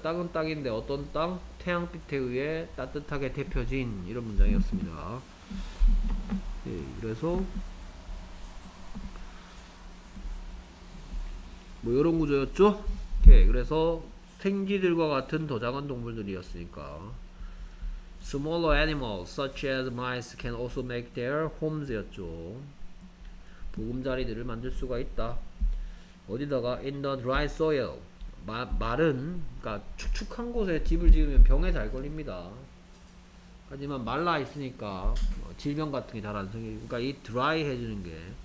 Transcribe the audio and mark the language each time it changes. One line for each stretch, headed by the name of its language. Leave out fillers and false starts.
Korean: 땅은 땅인데 어떤 땅? 태양빛에 의해 따뜻하게 데펴진 이런 문장이었습니다. 네, 그래서 뭐 이런 구조였죠? 오케이, 그래서 생쥐들과 같은 더 작은 동물들이었으니까.
English: Smaller animals such as mice can also make their homes였죠.
Korean: 보금자리들을 만들 수가 있다. 어디다가?
English: In the dry soil.
Korean: 마른, 그러니까 축축한 곳에 집을 지으면 병에 잘 걸립니다. 하지만 말라 있으니까 뭐 질병 같은 게잘안 생기니까 그러니까 이 드라이 해주는 게.